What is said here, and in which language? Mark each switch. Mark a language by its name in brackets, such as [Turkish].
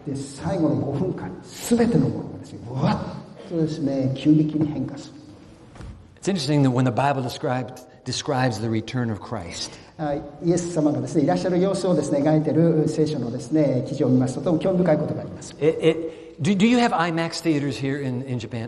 [Japanese] で、最後の5分間、すべてのものがですね、わっ。 [English] It's interesting that when the Bible describes the return of Christ, [Japanese] イエス様がですね、いらっしゃる様子をですね、描いてる聖書のですね、記事を見ますと、とても興味深いことがあります。 [English] Do you have IMAX theaters here in Japan?